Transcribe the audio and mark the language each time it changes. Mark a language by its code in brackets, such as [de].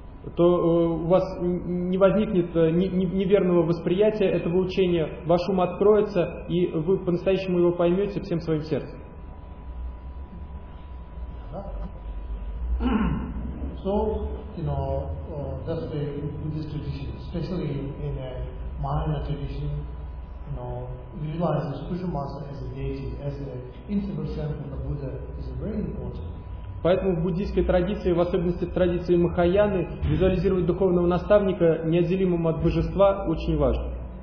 [ru] то у вас не возникнет неверного восприятия этого учения, ваш ум откроется, и вы по-настоящему его поймете всем своим сердцем. [en] So, you know, that's the Buddhist tradition, especially in a Mahayana tradition, you know, realize the spiritual master as a deity, as an integral self of the Buddha is very important. [ru] Поэтому в буддийской традиции, в особенности в традиции Махаяны, визуализировать духовного наставника, неотделимым от божества, очень важно.